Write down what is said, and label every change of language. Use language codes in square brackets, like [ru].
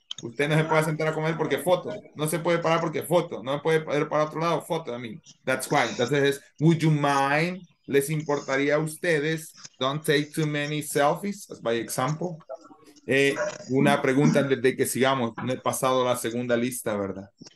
[es] Usted no se puede sentar a comer porque foto. No se puede parar porque foto. No puede ir para otro lado, foto. [en] I mean, that's why. [es] Entonces es, [en] would you mind, [es] les importaría a ustedes, [en] don't take too many selfies, as by example. [es] Una pregunta antes de que sigamos. No he pasado la segunda lista, ¿verdad?